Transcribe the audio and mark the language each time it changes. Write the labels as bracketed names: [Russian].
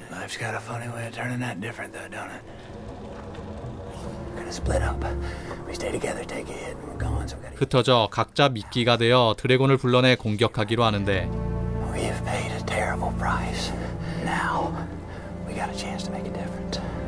[English] Life's got a funny way of turning out different, though, don't it? We're gonna split up. We stay together, take a hit, and we're gone. So we gotta. [Korean] 흩어져 각자 미끼가 되어 드래곤을 불러내 공격하기로 하는데. [English] We have paid a terrible price. Now we got a chance to make a difference.